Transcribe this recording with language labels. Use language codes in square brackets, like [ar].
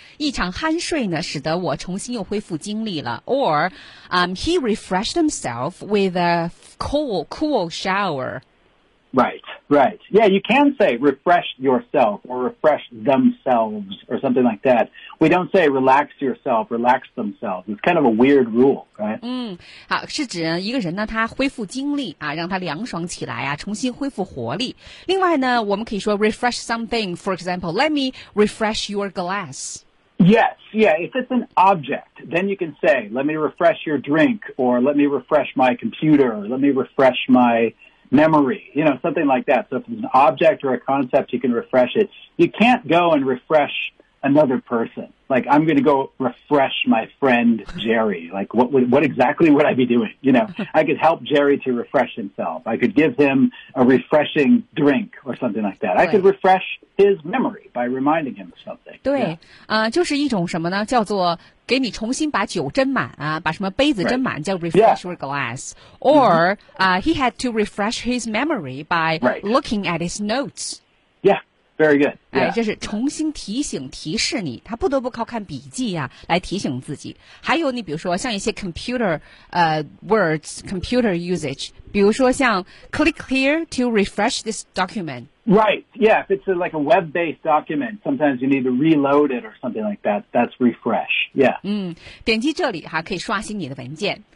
[zh] 一场酣睡呢使得我重新又恢复精力了。 [en] Or,、he refreshed himself with a cool shower. Right, right. Yeah, you can say refresh yourself or refresh themselves or something like that. We don't say relax yourself, relax themselves. It's kind of a weird rule, right?、 [zh] 好，是指一个人呢他恢复精力啊，让他凉爽起来啊，重新恢复活力。另外呢，我们可以说 [en] refresh something. For example, let me refresh your glass. Yes, yeah, if it's an object, then you can say, let me refresh your drink, or let me refresh my computer, or let me refresh my... memory, you know, something like that. So if it's an object or a concept, you can refresh it. You can't go and refresh another person. Like, I'm going to go refresh my friend Jerry. Like, what exactly would I be doing? You know, I could help Jerry to refresh himself. I could give him a refreshing drink or something like that. I could refresh his memory by reminding him of something. [zh] 对、 [en] yeah. [zh] 就是一种什么呢叫做给你重新把酒斟满啊，把什么杯子斟满、 [en] right. 叫 refresh your glass. Or、he had to refresh his memory by、 right. looking at his notes. Yeah, very good. Yeah. [zh] 哎，这是重新提醒提示你，他不得不靠看笔记啊来提醒自己。还有你比如说像一些 [en] computer words, computer usage, [zh] 比如说像 [en] click here to refresh this document. Right, yeah, if it's like a web-based document, sometimes you need to reload it or something like that, that's refresh, yeah. [zh] 点击这里哈可以刷新你的文件。